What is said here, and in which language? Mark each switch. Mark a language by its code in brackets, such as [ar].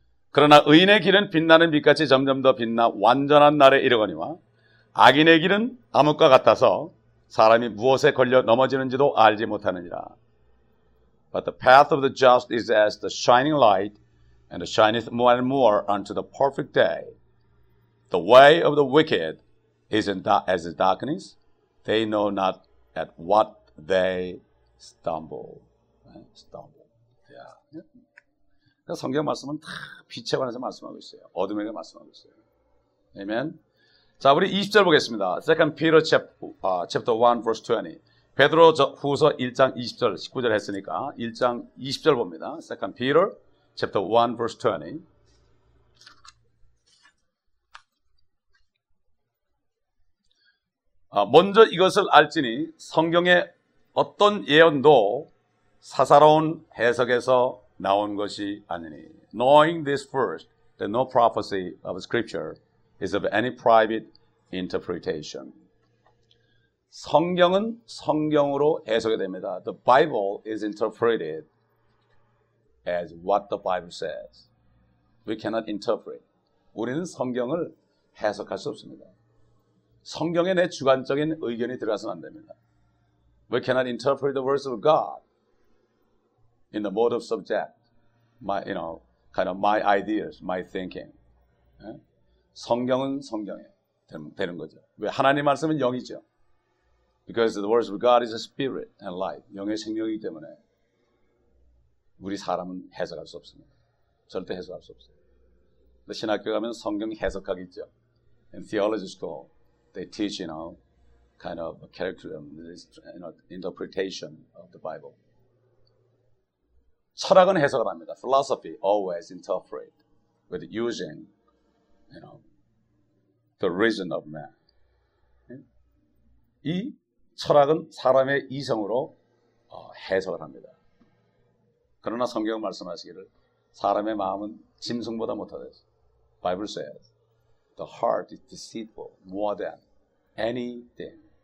[ko] 그러나 의인의 길은 빛나는 빛같이 점점 더 빛나 완전한 날에 이르거니와 악인의 길은 암흑과 같아서 사람이 무엇에 걸려 넘어지는지도 알지 못하느니라. [en] But the path of the just is as the shining light, and it shineth more and more unto the perfect day. The way of the wicked is as the darkness. They know not at what they stumble. Yeah. [ko] 성경 말씀은 다 빛에 관해서 말씀하고 있어요. 어둠에 관해서 말씀하고 있어요. [en] Amen. [ko] 자, 우리 20절 보겠습니다. [en] 2 Peter chapter 1 verse 20. [ko] 베드로 후서 1장 20절, 19절 했으니까 1장 20절 봅니다. [en] 2 Peter chapter 1 verse 20. [ko] 먼저 이것을 알지니 성경의 어떤 예언도 사사로운 해석에서 나온 것이 아니니. [en] Knowing this first, that no prophecy of scripture is of any private interpretation. [ko] 성경은 성경으로 해석이 됩니다. [en] The Bible is interpreted as what the Bible says. We cannot interpret. [ko] 우리는 성경을 해석할 수 없습니다. 성경에 내 주관적인 의견이 들어가서는 안 됩니다. [en] We cannot interpret the words of God in the mode of subject, my ideas, my thinking. [ko] 성경은 성경에 되는 거죠. 왜 하나님 말씀은 영이죠. [en] Because the words of God is a spirit and life. [ko] 영의 생명이기 때문에 우리 사람은 해석할 수 없습니다. 절대 해석할 수 없어요. 신학교 가면 성경 해석학 있죠. [en] In theology school, they teach, you know, kind of a curriculum, interpretation of the Bible. [ko] 철학은 해석을 합니다. [en] Philosophy always interpret with using, you know, the reason of man. [ko] 이 철학은 사람의 이성으로 해석을 합니다. 그러나 성경 말씀하시기를 사람의 마음은 짐승보다 못하대요. [en] Bible says, the heart is deceitful more than anything.